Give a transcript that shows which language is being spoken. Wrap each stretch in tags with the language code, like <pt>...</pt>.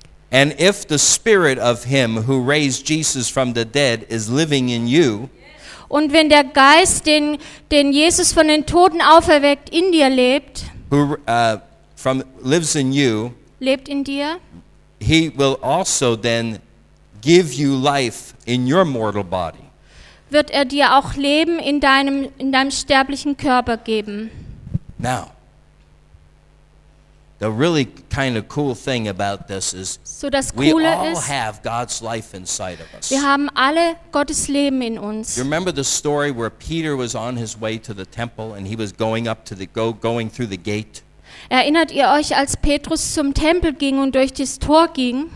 <en>And if the spirit of him who raised Jesus from the dead is living in you.</en> <de>Und wenn der Geist, den Jesus von den Toten auferweckt, in dir lebt.</de> <en>Who lives in you.</en> <de>Lebt in dir.</de> <en>He will also then give you life in your mortal body.</en> <de>Wird er dir auch Leben in deinem sterblichen Körper geben?</de> <en>Now, the really kind of cool thing about this is</en> <de>so das Coole</de> <en>we all</en> <de>ist,</de> <en>have God's life inside of us.</en> <de>Wir haben alle Gottes Leben in uns.</de> <en>You remember the story where Peter was on his way to the temple and he was going up to the going through the gate?</en> <de>Erinnert ihr euch, als Petrus zum Tempel ging und durch das Tor ging?</de>